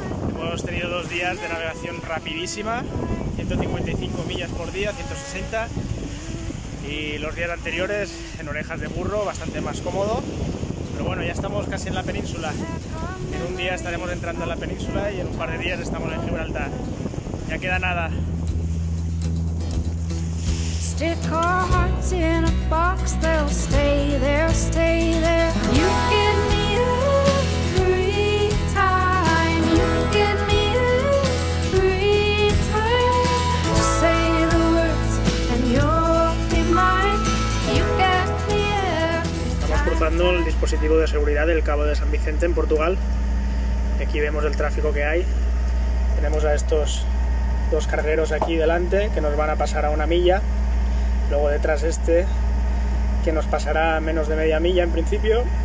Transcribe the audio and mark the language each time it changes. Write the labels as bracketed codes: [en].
[es] Hemos tenido dos días de navegación rapidísima, 155 millas por día, 160. Y los días anteriores en orejas de burro, bastante más cómodo. Pero bueno, ya estamos casi en la península. En un día estaremos entrando en la península y en un par de días estamos en Gibraltar. Ya queda nada. [en] Stick our hearts in a box, they'll stay there, stay there. You give me every time, you give me every time. Just say the words and you'll be mine, you get me every time. [es] Estamos cruzando el dispositivo de seguridad del Cabo de San Vicente en Portugal. Aquí vemos el tráfico que hay. Tenemos a estos dos cargueros aquí delante que nos van a pasar a una milla. Luego detrás este, que nos pasará a menos de media milla en principio.